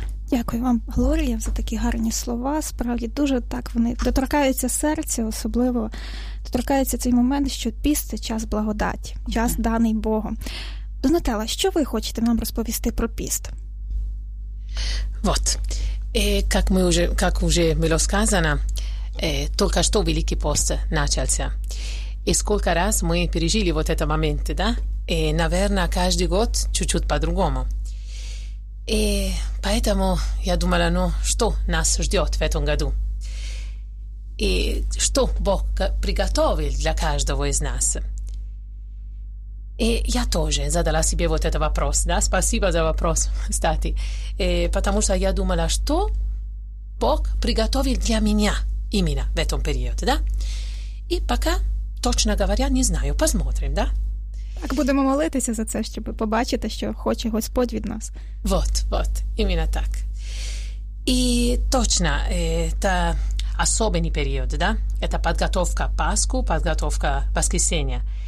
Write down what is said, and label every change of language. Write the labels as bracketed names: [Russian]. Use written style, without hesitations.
[Ukrainian] Дякую вам, Глорія, за такі гарні слова. Справді, дуже так вони доторкаються серця, особливо доторкається цей момент, що піст – це час благодаті, час, даний Богом. Донателла, що ви хочете нам розповісти про піст? [Russian] Вот. [Ukrainian] Як вже було сказано, тільки що Великий пост почався. І скільки раз ми пережили вот цей момент, да? [Russian] І, наверное, кожен год чуть-чуть по-другому. И поэтому я думала, ну что нас ждет в этом году? И что Бог приготовил для каждого из нас? И я тоже задала себе вот этот вопрос. Да? Спасибо за вопрос, кстати. И потому что я думала, что Бог приготовил для меня именно в этом периоде. Да? И пока, точно говоря, не знаю. Посмотрим, да? [Ukrainian] Так, будемо молитися за це, щоб побачити, що хоче Господь від нас. Вот, іменно так. І точно, це особливий період, да? Це підготовка Пасху, підготовка Воскресіння.